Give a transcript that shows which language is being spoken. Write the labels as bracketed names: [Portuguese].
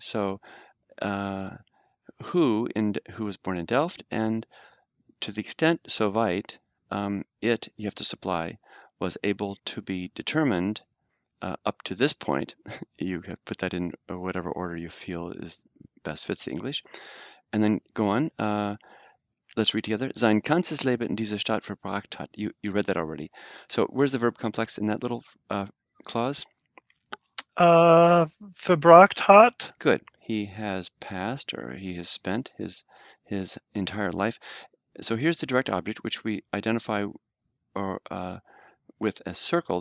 [English] So who was born in Delft, and to the extent, [German] so weit, [English] it, you have to supply, was able to be determined up to this point, you have put that in whatever order you feel is best fits the English. And then go on. Let's read together. [German] Sein ganzes Leben in dieser Stadt verbracht hat. [English] You read that already. So where's the verb complex in that little clause? [German] Verbracht hat. [English] Good. He has passed, or he has spent his entire life. So here's the direct object, which we identify with a circle.